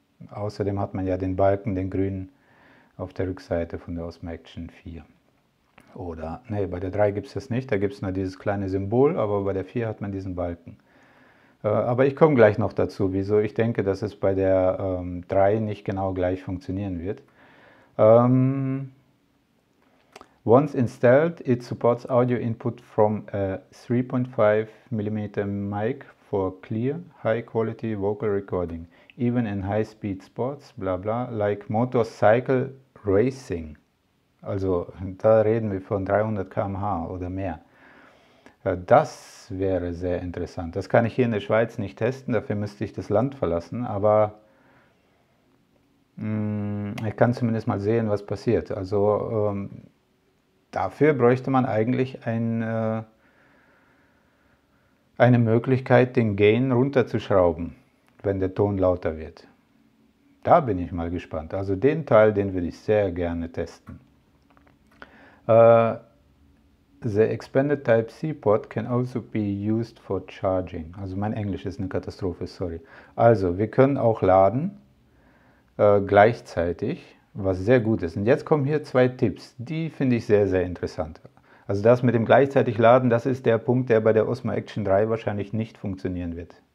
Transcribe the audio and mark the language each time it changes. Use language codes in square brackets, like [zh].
[de] Außerdem hat man ja den Balken, den grünen, auf der Rückseite von der Osmo Action 4. Oder, nee, bei der 3 gibt es das nicht. Da gibt es nur dieses kleine Symbol. Aber bei der 4 hat man diesen Balken. Aber ich komme gleich noch dazu, wieso ich denke, dass es bei der 3 nicht genau gleich funktionieren wird. [en] Once installed, it supports audio input from a 3.5 mm mic for clear, high quality vocal recording, even in high speed sports, bla bla, like motorcycle racing. [de] Also da reden wir von 300 km/h oder mehr. Das wäre sehr interessant. Das kann ich hier in der Schweiz nicht testen, dafür müsste ich das Land verlassen, aber ich kann zumindest mal sehen, was passiert. Also dafür bräuchte man eigentlich ein eine Möglichkeit, den Gain runterzuschrauben, wenn der Ton lauter wird. Da bin ich mal gespannt. Also den Teil, den würde ich sehr gerne testen. [en] The expanded Type-C Port can also be used for charging. [de] Also mein Englisch ist eine Katastrophe, sorry. Also, wir können auch laden gleichzeitig, was sehr gut ist. Und jetzt kommen hier zwei Tipps, die finde ich sehr, sehr interessant. Also das mit dem gleichzeitig laden, das ist der Punkt, der bei der Osmo Action 3 wahrscheinlich nicht funktionieren wird.